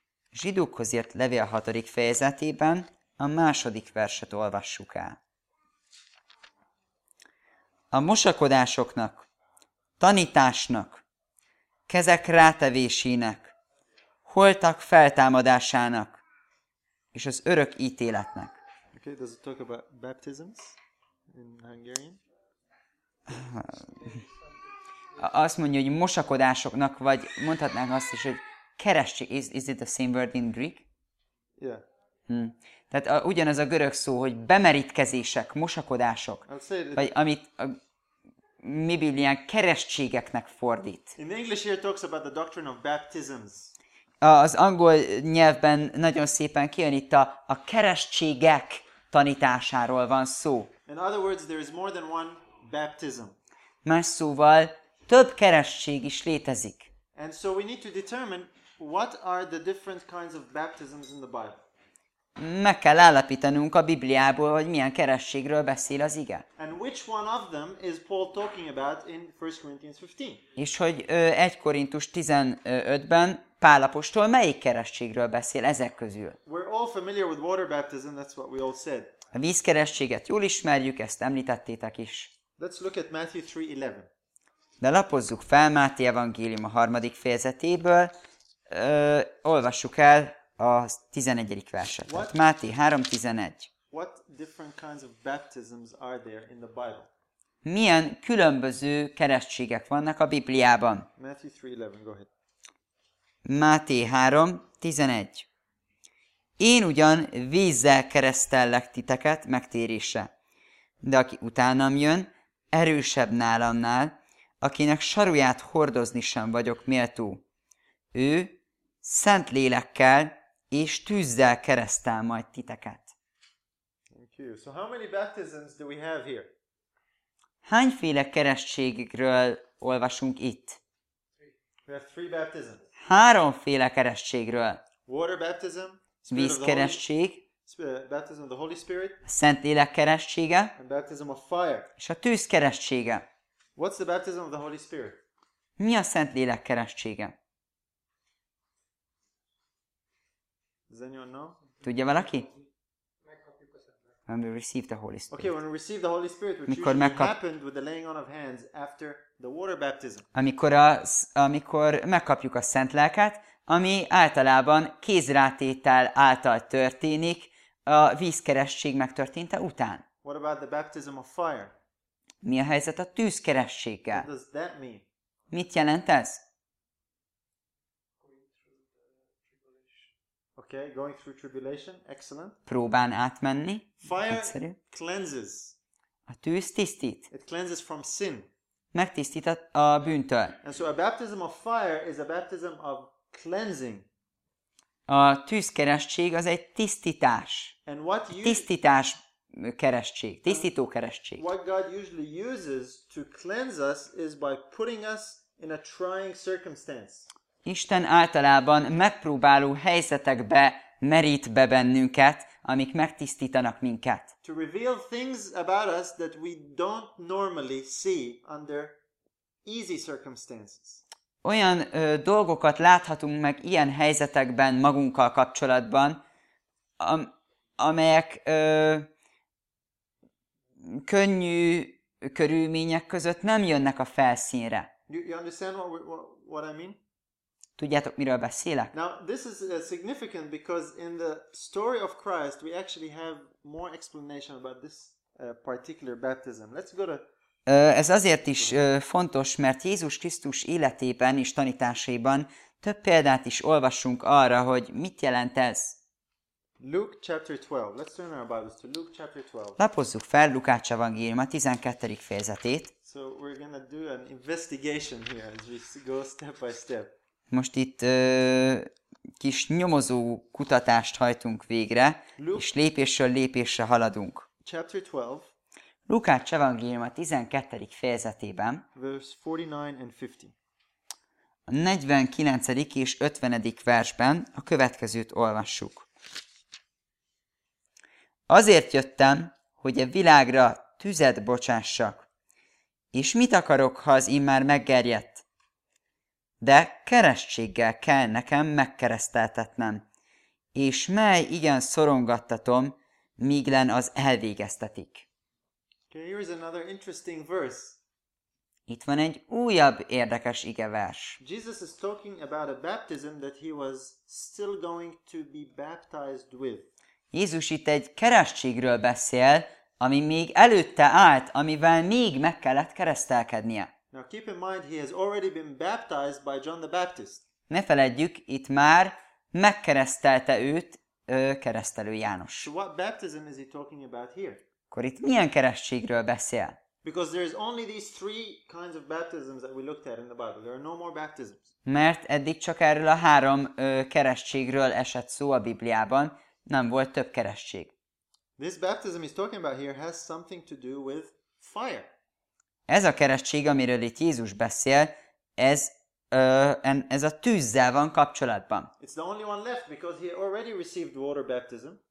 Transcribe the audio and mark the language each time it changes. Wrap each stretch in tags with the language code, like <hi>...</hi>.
<hu>Zsidókhoz írt levél 6. fejezetében a 2. verset olvassuk el. A mosakodásoknak, tanításnak, kezek rátevésének, holtak feltámadásának és az örök ítéletnek.</hu> <en>Okay, does it talk about baptisms in Hungarian?</en> <hu>Azt mondja, hogy mosakodásoknak, vagy mondhatnánk azt is, hogy keresztség.</hu> <en>Is it the same word in Greek? Yeah. Hmm.</en> <hu>Tehát ugyanaz a görög szó, hogy bemerítkezések, mosakodások, vagy amit a Bibliánk keresztségeknek fordít.</hu> <en>In English here talks about the doctrine of baptisms.</en> <hu>Az angol nyelvben nagyon szépen kijön itt a keresztségek tanításáról van szó.</hu> <en>In other words, there is more than one baptism.</en> <hu>Más szóval több keresztség is létezik.</hu> <en>And so we need to determine what are the different kinds of baptisms in the Bible.</en> <hu>Meg kell állapítanunk a Bibliából, hogy milyen keresztségről beszél az ige.</hu> <en>And which one of them is Paul talking about in 1 Corinthians 15?</en> <hu>És hogy 1 Korintus 15-ben Pál apostol melyik keresztségről beszél ezek közül?</hu> <en>We're all familiar with water baptism, that's what we all said.</en> <hu>A vízkeresztséget jól ismerjük, ezt említettétek is.</hu> <en>Let's look at Matthew 3:11.</en> <hu>De lapozzuk fel Máté evangélium a 3. fejezetéből, olvassuk el a 11. verset. Máté 3:11.</hu> <en>What different kinds of baptisms are there in the Bible?</en> <hu>Milyen különböző keresztségek vannak a Bibliában?</hu> <en>Matthew 3:11, go ahead.</en> <hu>Máté 3:11. Én ugyan vízzel keresztellek titeket megtérésre, de aki utánam jön, erősebb nálamnál, akinek saruját hordozni sem vagyok méltó. Ő szent lélekkel és tűzzel keresztel majd titeket.</hu> <en>Thank you. So how many baptisms do we have here?</en> <hu>Hányféle keresztségről olvasunk itt?</hu> <en>We have three baptisms.</en> <hu>Háromféle keresztségről.</hu> <en>Water baptism,</en> <hu>vízkeresztség,</hu> <en>baptism of the Holy Spirit,</en> <hu>szent lélek keresztsége,</hu> <en>and baptism of fire.</en> <hu>És a tűz keresztsége.</hu> <en>What's the baptism of the Holy Spirit?</en> <hu>Mi a szent lélek keresztsége?</hu> <en>Does anyone know?</en> <hu>Tudja valaki?</hu> <en>When we receive the Holy Spirit. Okay, when we receive the Holy Spirit, which usually happened with the laying on of hands after the water baptism.</en> <hu>Amikor megkapjuk a Szent Lelket, ami általában kézrátétel által történik a vízkeresztség megtörténte után.</hu> <en>What about the baptism of fire?</en> <hu>Mi a helyzet a tűzkerességgel?</hu> <en>What does that mean?</en> <hu>Mit jelent ez?</hu> <en>Okay, going through tribulation, excellent.</en> <hu>Próbán átmenni.</hu> <en>Fire</en> <hu>egyszerű.</hu> <en>Cleanses.</en> <hu>A tűz tisztít.</hu> <en>It cleanses from sin.</en> <hu>Megtisztít a bűntől.</hu> <en>And so a baptism of fire is a baptism of cleansing.</en> <hu>A tűzkeresztség az egy tisztítás.</hu> <en>And what</en> <hu>tisztítás keresztség, tisztító keresztség.</hu> <en>What God usually uses to cleanse us is by putting us in a trying circumstance.</en> <hu>Isten általában megpróbáló helyzetekbe merít be bennünket, amik megtisztítanak minket.</hu> <en>To reveal things about us that we don't normally see under easy circumstances.</en> <hu>Olyan dolgokat láthatunk meg ilyen helyzetekben magunkkal kapcsolatban, amelyek könnyű körülmények között nem jönnek a felszínre.</hu> <en>You understand what I mean?</en> <hu>Tudjátok, miről beszélek?</hu> <en>Now, this is significant because in the story of Christ, we actually have more explanation about this particular baptism. Let's go to...</en> <hu>Ez azért is fontos, mert Jézus Krisztus életében és tanításában több példát is olvasunk arra, hogy mit jelent ez.</hu> <en>Luke chapter 12. Let's turn our Bibles to Luke chapter 12.</en> <hu>Lapozzuk fel Lukács evangélium a 12. fejezetét.</hu> <en>So we're gonna do an investigation here as we go step by step.</en> <hu>Most itt kis nyomozó kutatást hajtunk végre, és lépésről lépésre haladunk.</hu> <en>Chapter 12.</en> <hu>Lukács evangéliuma 12. fejezetében.</hu> <en>Verse 49 and 50.</en> <hu>A 49. és 50. versben a következőt olvassuk. Azért jöttem, hogy a világra tüzet bocsássak. És mit akarok, ha az immár meggerjedt? De keresztséggel kell nekem megkereszteltetnem, és mely igen szorongattatom, míg len az elvégeztetik.</hu> <en>Okay, here is another interesting verse.</en> <hu>Itt van egy újabb érdekes igevers.</hu> <en>Jesus is talking about a baptism that he was still going to be baptized with.</en> <hu>Jézus itt egy keresztségről beszél, ami még előtte állt, amivel még meg kellett keresztelkednie.</hu> <en>Now keep in mind he has already been baptized by John the Baptist.</en> <hu>Ne feledjük, itt már megkeresztelte őt keresztelő János.</hu> <en>So what baptism is he talking about here?</en> <hu>Akkor itt milyen keresztségről beszél?</hu> <en>Because there is only these three kinds of baptisms that we looked at in the Bible. There are no more baptisms.</en> <hu>Mert eddig csak erről a három keresztségről esett szó a Bibliában, nem volt több keresztség.</hu> <en>This baptism he's talking about here has something to do with fire.</en> <hu>Ez a keresztség, amiről itt Jézus beszél, ez a tűzzel van kapcsolatban.</hu> <en>It's the only one left because he already received water baptism.</en>